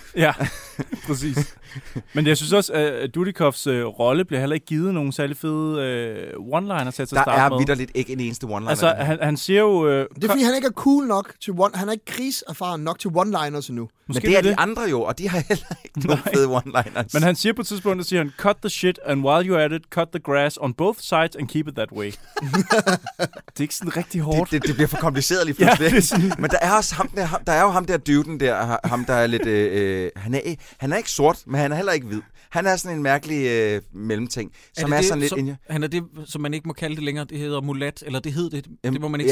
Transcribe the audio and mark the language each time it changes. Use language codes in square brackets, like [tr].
[da] Ja, præcis. Men jeg synes også, at Dudikoffs rolle bliver heller ikke givet nogen særlig fede one-liners til at starte med. Der er vitterligt ikke en eneste one-liner. Altså, han siger jo... Det er fordi, han ikke er cool nok til one... Han er ikke kriserfaren nok til one-liners endnu. Måske men det er det. De andre jo, og de har heller ikke nogen fede one-liners. Men han siger på et tidspunkt, at han [en] cut the shit, and while you're at it, cut the grass on both sides and keep it that way. [da] Det er ikke sådan rigtig hårdt. Det bliver for kompliceret lige pludselig. Ja, det er sådan... Men der er også ham der er jo ham der dyden der, ham der er lidt... Han er ikke sort, men han er heller ikke hvid. Han er sådan en mærkelig mellemting, som er sådan det, lidt... Han er det, som man ikke må kalde det længere, det hedder mulat, eller det hed det, det må man ikke